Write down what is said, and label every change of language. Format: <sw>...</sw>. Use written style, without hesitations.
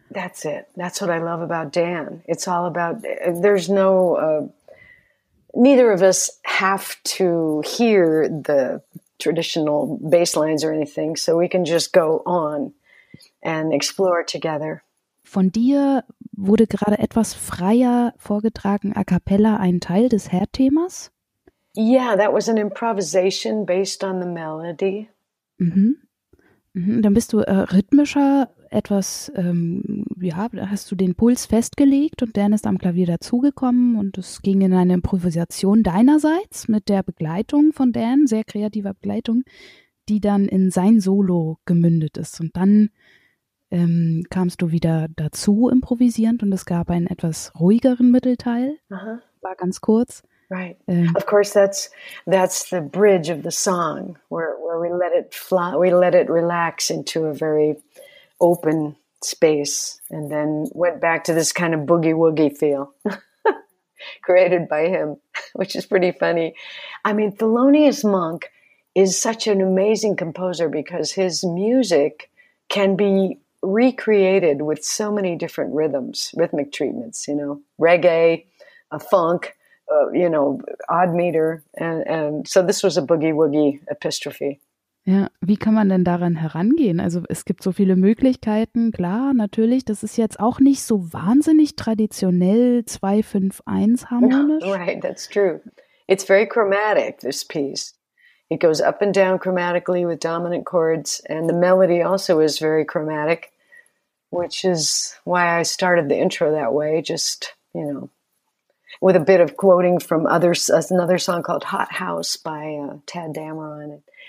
<en>That's it. That's what I love about Dan. It's all about, there's no, neither of us have to hear the traditional bass lines or anything, so we can just go on and explore together.</en> <de>Von dir wurde gerade etwas freier vorgetragen, a cappella, ein Teil des Herdthemas?</de> <en>Yeah, that was an improvisation based on the melody.</en> <de>Dann bist du rhythmischer, etwas, hast du den Puls festgelegt und Dan ist am Klavier dazugekommen und es ging in eine Improvisation deinerseits mit der Begleitung von Dan, sehr kreativer Begleitung, die dann in sein Solo gemündet ist. Und dann kamst du wieder dazu improvisierend und es gab einen etwas ruhigeren Mittelteil, war ganz kurz.</de> <en>Right. Of course, that's the bridge of the song, where we let it fly, we let it relax into a very open space, and then went back to this kind of boogie woogie feel created by him, which is pretty funny. I mean, Thelonious Monk is such an amazing composer because his music can be recreated with so many different rhythms, rhythmic treatments. You know, reggae, a funk. You know, odd meter, and so this was a boogie woogie epistrophe.</en> <de>Ja, wie kann man denn daran herangehen? Also es gibt so viele Möglichkeiten. Klar, natürlich, das ist jetzt auch nicht so wahnsinnig traditionell 2-5-1 harmonisch.</de> <en>Right, that's true. It's very chromatic, this piece. It goes up and down chromatically with dominant chords, and the melody also is very chromatic, which is why I started the intro that way, just you know, with a bit of quoting from others, another song called Hot House by Tad Dameron.</en>